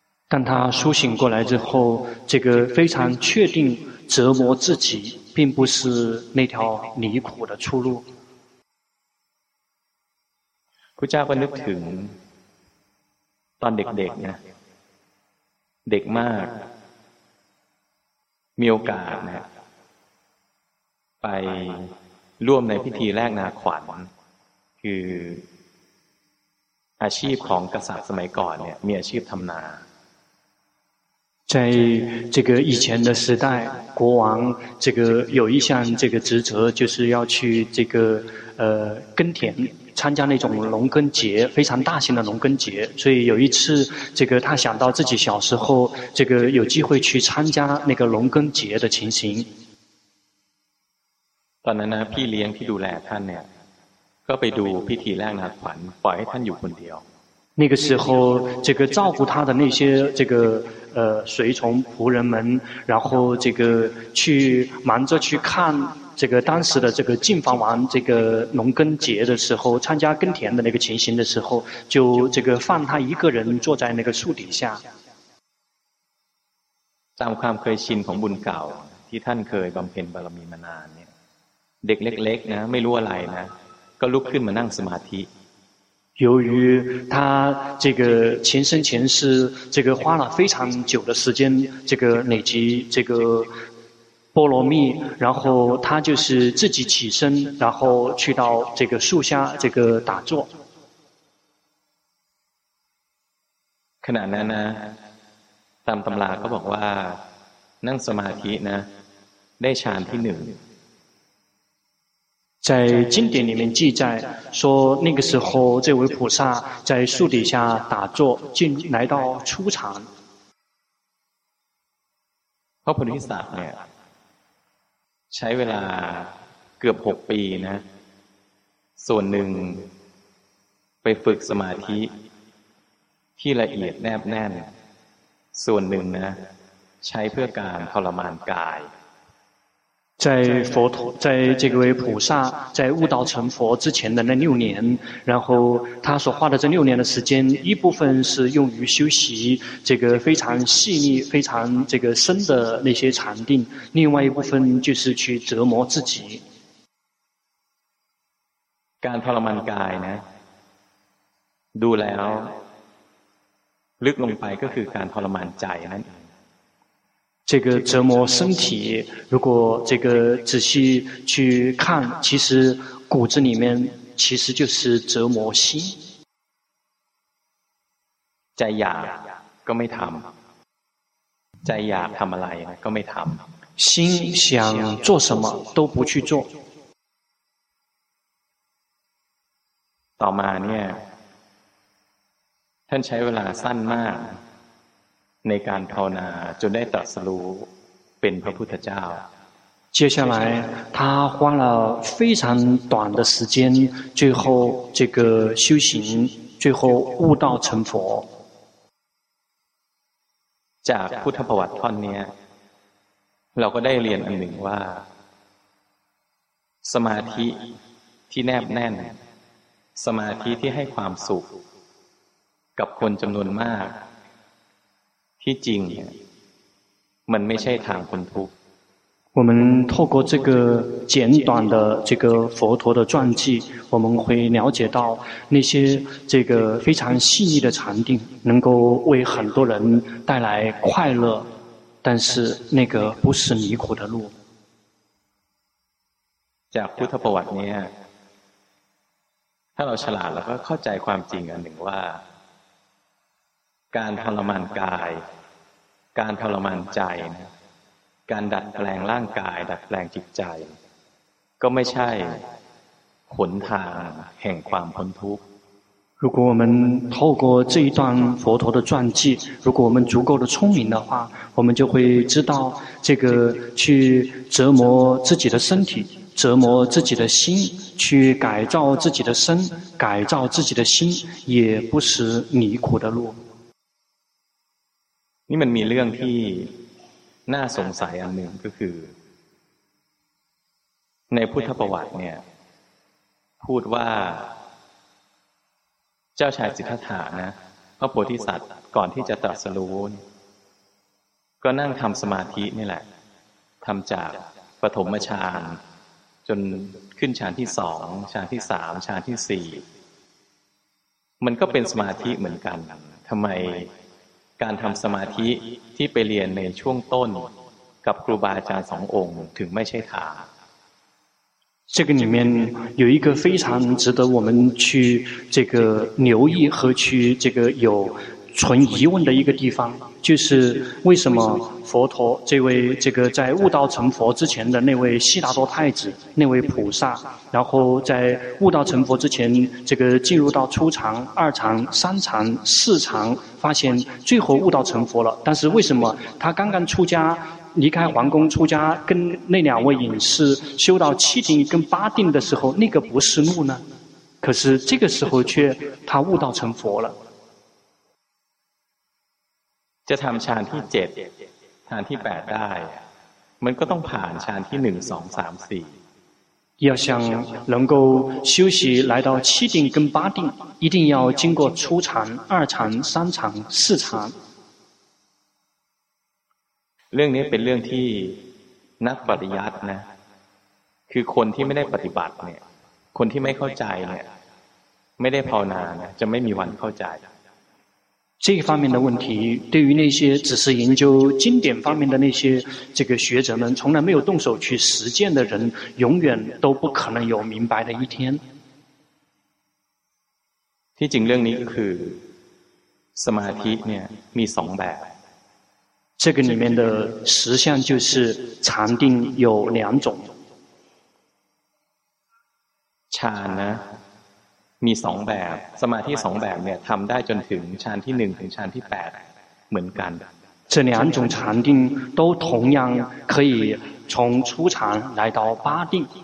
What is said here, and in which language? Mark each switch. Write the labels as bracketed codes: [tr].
[zh] แต่他苏醒过来之后这个非常确定折磨自己并不是那条离苦的出路 [th] พุทธเจ้าก็นึกถึงตอนเด็กๆนะเด็กมากมีโอกาสนะไปร่วมในพิธีแลกนาขวัญคืออาชีพของกษัตริย์สมัยก่อนเนี่ยมีอาชีพทำนา [zh] 在这个以前的时代国王这个有一项这个职责就是要去这个耕田参加那种农耕节非常大型的农耕节所以有一次这个他想到自己小时候这个有机会去参加那个农耕节的情形 [th] ตอนนั้นพี่เลี้ยงที่ดูแลท่านเนี่ยก็ไปดูพิธีแลกนาขวัญปล่อยให้ท่านอยู่คนเดียว [zh] 那个时候这个照顾他的那些这个随从仆人们然后这个去忙着去看这个当时的这个晋房王这个农耕节的时候参加耕田的那个情形的时候就这个放他一个人坐在那个树底下 [th] ตามความเคยชินของบุญเก่าที่ท่านเคยบำเพ็ญบารมีมานานเนี่ยเด็กเล็กๆนะไม่รู้อะไรนะก็ลุกขึ้นมานั่งสมาธิ [zh] 由于他这个前生前世这个花了非常久的时间这个累积这个波罗蜜然后他就是自己起身然后去到这个树下这个打坐 [th] ขณะนั้นนะตามตำราก็บอกว่านั่งสมาธินะได้ฌานที่หนึ่ง [zh] 在经典里面记载说那个时候这位菩萨在树底下打坐进来到初禅 [th] พระโพธิสัตว์เนี่ยใช้เวลาเกือบ6ปีนะส่วนหนึ่งไปฝึกสมาธิที่ละเอียดแนบแน่นส่วนหนึ่งนะใช้เพื่อการทรมานกาย [zh] 在佛陀在这位菩萨在悟道成佛之前的那六年然后他所花的这六年的时间一部分是用于修习这个非常细腻非常这个深的那些禅定另外一部分就是去折磨自己 [th] การทรมานกายนะดูแล้วลึกลงไปก็คือการทรมานใจนั้น [zh] 这个折磨身体如果这个仔细去看其实骨子里面其实就是折磨心 [th] 在อยากก็ไม่ทำใจอยากทำอะไรก็ไม่ทำ [zh] 心想做什么都不去做 [th] ต่อมาเนี่ย ท่านใช้เวลาสั้นมากในการภาวนาจนได้ตรัสรู้เป็นพระพุทธเจ้า [zh] 接下来他花了非常短的时间最后这个修行最后悟道成佛 [th] จากพุทธประวัติท่อนนี้เราก็ได้เรียนอันหนึ่งว่าสมาธิที่แนบแน่นสมาธิที่ให้ความสุขกับคนจำนวนมากที่จริงมันไม่ใช่ทางคนทุกข์ [zh] 我们透过这个简短的这个佛陀的传记我们会了解到那些这个非常细腻的禅定能够为很多人带来快乐但是那个不是迷苦的路 [th] จากพุทธประวัติเนี่ยถ้าเราฉลาดแล้วก็เข้าใจความจริงอันหนึ่งว่าการทรมานกายการทรมานใจการดัดแปลงร่างกายดัดแปลงจิตใจก็ไม่ใช่หนทางแห่งความพ้นทุกข์ [zh] 如果我们透过这一段佛陀的传记如果我们足够的聪明的话我们就会知道这个去折磨自己的身体折磨自己的心去改造自己的身改造自己的心也不是离苦的路 [th] นี่มันมีเรื่องที่น่าสงสัยอันหนึ่งก็คือในพุทธประวัติเนี่ยพูดว่าเจ้าชายสิทธัตถะนะพระโพธิสัตว์ก่อนที่จะตรัสรู้ก็นั่งทำสมาธินี่แหละทำจากปฐมฌานจนขึ้นฌานที่สองฌานที่สามฌานที่สี่ มันก็เป็นสมาธิเหมือนกันทำไมการทำสมาธิที่ไปเรียนในช่วงต้นกับครูบาอาจารย์สององค์ถึงไม่ใช่ทาง [zh] 这个里面有一个非常值得我们去这个留意和去这个有存疑问的一个地方就是为什么佛陀这位这个在悟道成佛之前的那位悉达多太子那位菩萨然后在悟道成佛之前这个进入到初禅二禅三禅四禅发现最后悟道成佛了但是为什么他刚刚出家离开皇宫出家跟那两位隐士修到七定跟八定的时候那个不是路呢可是这个时候却他悟道成佛了 [th] จะทำฌานที่เจ็ดฌานที่แปดได้มันก็ต้องผ่านฌานที่หนึ่งสองสามสี่ [zh] 要想能够修习来到七定跟八定一定要经过初禅二禅三禅四禅 [th] เรื่องนี้เป็นเรื่องที่นักปริยัตินะคือคนที่ไม่ได้ปฏิบัติเนี่ยคนที่ไม่เข้าใจเนี่ยไม่ได้ภาวนานะจะไม่มีวันเข้าใจ [zh] 这一方面的问题对于那些只是研究经典方面的那些这个学者们从来没有动手去实践的人永远都不可能有明白的一天 [th] ที่จริงเรื่องนี้คือสมาธิเนี่ยมีสองแบบ [zh] 这个里面的实相就是禅定有两种 [th] ฌานนะมีสองแบบสมาธิสองแบบเนี่ยทำได้จนถึงฌานที่หนึ่งถึงฌานที่แปดเหมือนกัน [zh] 这两种禅定都同样可以从初禅来到八定